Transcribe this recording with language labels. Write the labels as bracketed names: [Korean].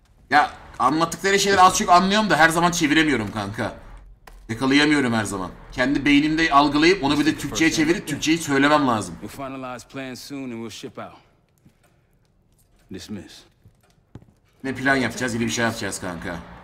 [Turkish] Ya anlattıkları şeyleri az çok anlıyorum da her zaman çeviremiyorum kanka. Yakalayamıyorum her zaman. Kendi beynimde algılayıp onu bir de Türkçe'ye çevirip Türkçe'yi söylemem lazım. [English] We'll finalize plans soon and we'll ship out. Dismiss. [Turkish] Ne plan yapacağız, yine bir şey yapacağız kanka.